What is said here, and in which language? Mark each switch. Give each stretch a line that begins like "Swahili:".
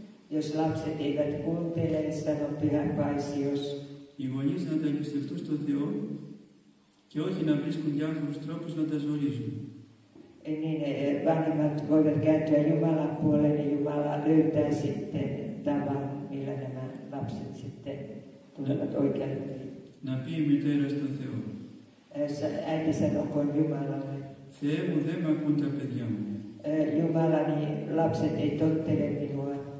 Finnish: Jos lapset eivät kuuntele, sanoo Pyhä Paisios.
Greek: Οι γονείς να τα εμπιστευτούν στον Θεό και όχι να βρίσκουν διάφορους τρόπους να τα ζωρίζουν.
Finnish: Niin vanhemmat voivat kääntyä Jumalan puoleen ja Jumala löytää sitten tämä, millä nämä lapset sitten tulevat oikealle.
Greek: Να πει η μητέρα στον Θεό.
Finnish: Äiti sanoo Jumalalle.
Greek: Θεέ μου, δεν μ' ακούν τα παιδιά μου.
Finnish: Jumalani, lapset ei tottele minua.